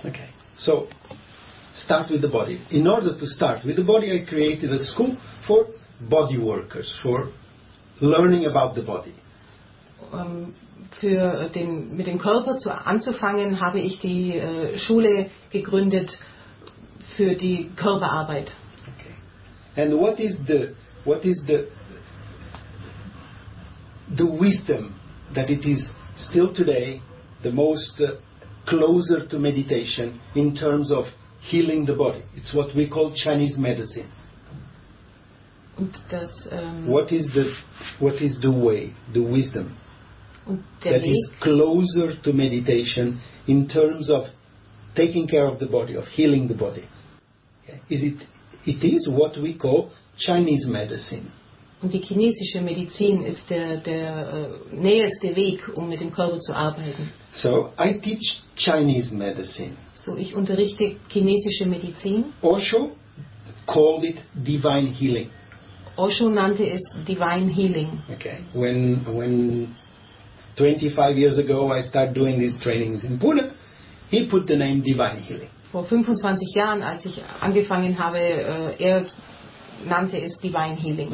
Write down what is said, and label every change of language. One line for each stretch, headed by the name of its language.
English: Okay, so, start with the body. In order to start with the body, I created a school for body workers, for learning about the body.
German: Für den mit dem Körper zu anzufangen, habe ich die Schule gegründet für die Körperarbeit.
English: Okay. And what is the wisdom that it is still today the most closer to meditation in terms of healing the body? It's what we call Chinese medicine.
German: Und das,
English: what is the way, the wisdom? That
German: Weg
English: is closer to meditation in terms of taking care of the body, of healing the body. Is it? It is what we call Chinese medicine.
German: Und die chinesische Medizin ist der näheste Weg, um mit dem Körper zu arbeiten.
English: So I teach Chinese medicine.
German: So ich unterrichte chinesische Medizin.
English: Osho called it divine healing.
German: Osho nannte es divine healing.
English: Okay. When 25 years ago I started doing these trainings in Pune, he put the name divine healing.
German: Vor 25 Jahren, als ich angefangen habe, er nannte es divine healing.